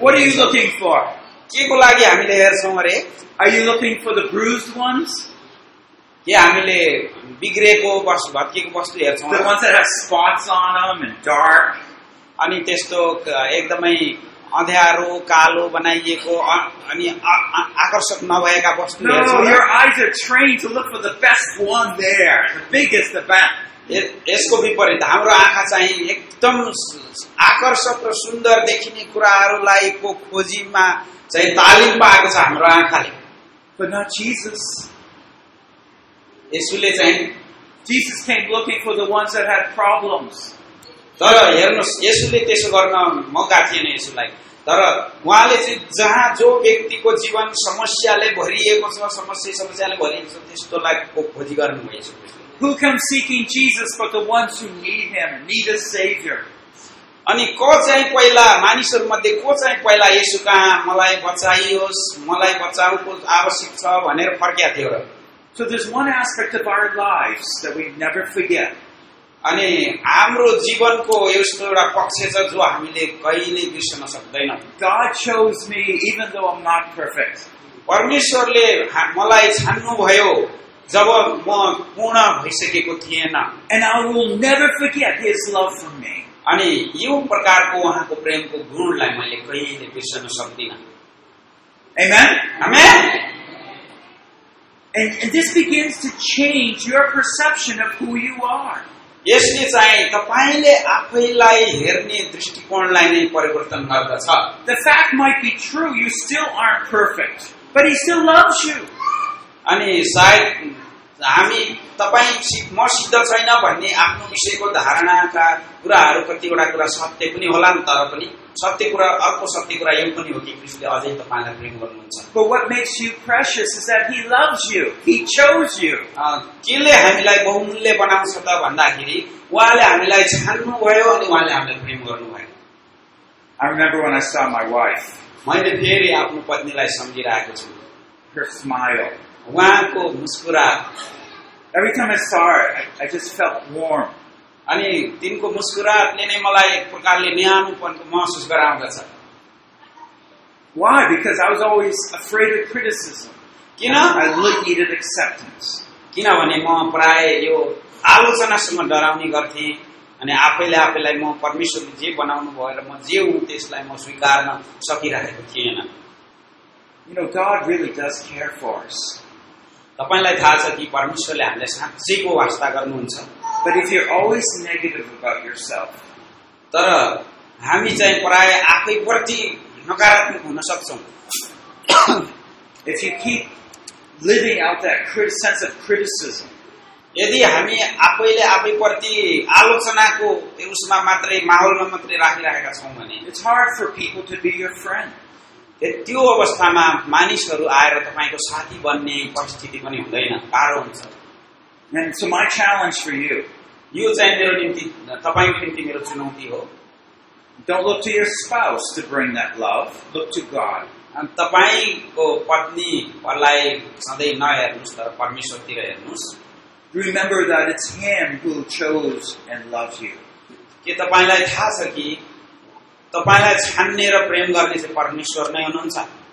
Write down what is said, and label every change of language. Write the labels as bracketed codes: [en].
[en] What are you looking for? [ne] केको लागि हामीले हेर्छौँ अरे [en] Are you looking for the bruised ones? [ne] ये हामीले बिग्रेको वस्तु भत्किएको वस्तु हेर्छौँ [en] The ones that have spots on them and dark [ne] अनि त्यस्तो एकदमै अँध्यारो कालो बनाइएको अनि आकर्षक नभएका वस्तु हेर्छौँ [en] Your eyes are trained to look for the best one there the biggest the best [ne] यसको विपरीत हाम्रो आँखा चाहिँ एकदम आकर्षक र सुन्दर देखिने कुराहरूलाई को खोजीमा चाहिँ तालिम पाएको छ हाम्रो आँखाले [en] But not Jesus [ne] यसुले चाहिँ [en] Jesus came looking for the ones that had problems [ne] तर हेर्नुस् यसुले त्यसो गर्न मौका थिएन यसुलाई तर उहाँले चाहिँ जहाँ जो व्यक्तिको जीवन समस्याले भरिएको छ समस्याले भरिएको छ त्यस्तोलाई खोजी गर्नु भयो यसुले [en] Who comes seeking Jesus for the ones who need him need a savior [ne] अनि को चाहिँ पहिला मानिसहरु मध्ये को चाहिँ पहिला येशूका मलाई बचाइयोस मलाई बचाउनको आवश्यक छ भनेर फर्किया थियो र [en] So there's one aspect of our lives that we never forget [ne] अनि हाम्रो जीवनको यस्तो एउटा पक्ष छ जो हामीले कहिले बिर्सन सक्दैन [en] God chose me even though I'm not perfect [ne] परमेश्वरले मलाई छान्नु भयो जब म पूर्ण भइसकेको थिएन [en] and I will never forget his love for me [ne] अनि यो प्रकारको उहाँको प्रेमको गुणलाई मैले कहिले बिर्सन सक्दिन [en] Amen Amen And this begins to change your perception of who you are. [ne] यसले चाहिँ तपाईले आफैलाई हेर्ने दृष्टिकोणलाई नै परिवर्तन गर्दछ. [en] The fact might be true you still aren't perfect, but he still loves you. [ne] अनि सायद हामी तपाई म सिद्ध छैन भन्ने आफ्नो विषयको धारणाका कुराहरू कतिवटा कुरा सत्य पनि होला नि तर पनि सत्य कुरा अर्को सत्य कुरा यो पनि हो कि ख्रीष्टले अझै तपाईँलाई प्रेम गर्नुहुन्छ [en] But what makes you precious is that he loves you. He chose you. [ne] Kinley हामीलाई बहुमूल्य बनाउँछ त भन्दाखेरि उहाँले हामीलाई छान्नु भयो अनि उहाँले हामीलाई प्रेम गर्नुभयो [en] I remember when I saw my wife. [ne] मैले फेरि आफ्नो पत्नीलाई सम्झिरहेको छु [en] Her smile. [ne] उहाँको मुस्कुरा [en] Every time I saw her, I just felt warm. [ne] अनि तिनको मुस्कुराले नै मलाई एक प्रकारले न्यानोपनको महसुस गराउँदछ [en] Why? Because I was always afraid of criticism. I needed acceptance. [ne] किनभने म प्राय यो आलोचनासँग डराउने गर्थेँ अनि आफैले आफैलाई म परमेश्वरले जे बनाउनु भयो र म जे हुँ त्यसलाई म स्वीकार्न सकिरहेको थिएन. [en] You know, God really does care for us. [ne] तपाईँलाई थाहा छ कि परमेश्वरले हामीलाई साँच्चैको वास्ता गर्नुहुन्छ. [en] But if you're always negative about yourself, [ne] तर हामी चाहिँ प्राय आफैप्रति नकारात्मक हुन सक्छौँ. [en] If you keep living out that sense of criticism, [ne] यदि हामी आफैले आफैप्रति आलोचनाको उसमा मात्रै माहौलमा मात्रै राखिरहेका छौँ भने [en] it's hard for people to be your friend. [ne] त्यो अवस्थामा मानिसहरू आएर तपाईँको साथी बन्ने परिस्थिति पनि हुँदैन, गाह्रो हुन्छ. [en] And so my challenge for you, [ne] यो चाहिँ मेरो निम्ति तपाईँको निम्ति मेरो चुनौती हो. [en] Don't look to your spouse to bring that love. Look to God. [ne] अनि तपाईँको पत्नीहरूलाई सधैँ नहेर्नुहोस् तर परमेश्वरतिर हेर्नुहोस्. [en] Remember that it's Him who chose and loves you. [ne] के तपाईँलाई थाहा छ कि तपाईँलाई छान्ने र प्रेम गर्ने चाहिँ परमेश्वर नै हुनुहुन्छ.